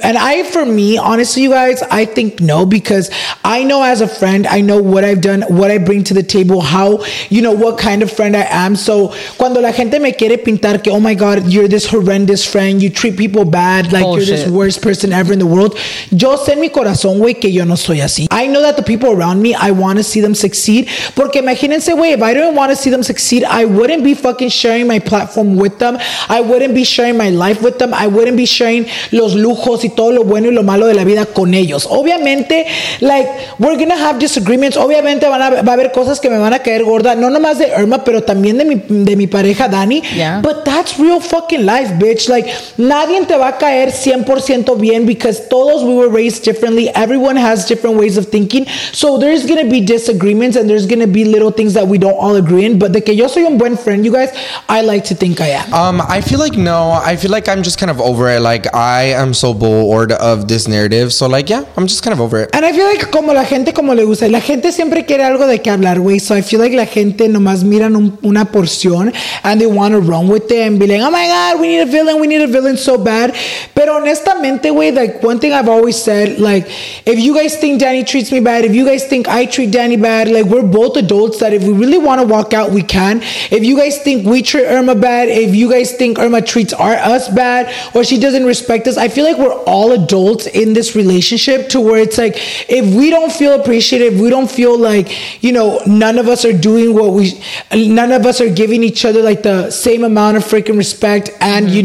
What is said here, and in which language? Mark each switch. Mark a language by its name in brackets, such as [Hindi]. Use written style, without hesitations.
[English] And I, for me, honestly, you guys, I think no, because I know as a friend, I know what I've done, what I bring to the table, how, you know, what kind of friend I am. So, cuando la gente me quiere pintar que, oh my God, you're this horrendous friend, you treat people bad, like bullshit, you're this worst person ever in the world. [Spanish] Yo sé mi corazón, güey, que yo no soy así. [English] I know that the people around me, I want to see them succeed. Porque imagínense, güey, if I didn't want to see them succeed, I wouldn't be fucking sharing my platform with them. I wouldn't be sharing my life with them. I wouldn't be sharing los lujos y todo lo bueno y lo malo de la vida con ellos. Obviamente, like, we're gonna have disagreements. [Spanish] Obviamente va a haber cosas que me van a caer gorda. No nomás de Irma, pero también de mi pareja, Dani. [English] Yeah. But that's real fucking life, bitch. Like, nadie te va a caer 100% bien, because todos we were raised differently. Everyone has different ways of thinking. So there's going to be disagreements and there's going to be little things that we don't all agree in. But de que yo soy un buen friend, you guys, I like to think I am. I feel like no. I feel like I'm just kind of over it. Like, I am so bored of this narrative. So, like, yeah, I'm just kind of over it. [Spanish] And I feel like como la gente como le gusta. La gente siempre quiere algo de que hablar, güey. So I feel like la gente nomás miran una porción and they [English] want to run with it and be like, oh my God, we need a villain. We need a villain so bad. But honestamente, güey, like one thing I've always said, like if you guys think Danny treats me bad, if you guys think I treat Danny bad, like we're both adults that if we really want to walk out, we can. If you guys think we treat Irma bad, if you guys think Irma treats us bad or she doesn't respect us, I feel like we're all adults in this relationship to where it's like, if we don't feel appreciated, if we don't feel like, you know, none of us are doing what we, none of us are giving each other like the same amount of freaking respect and, mm-hmm.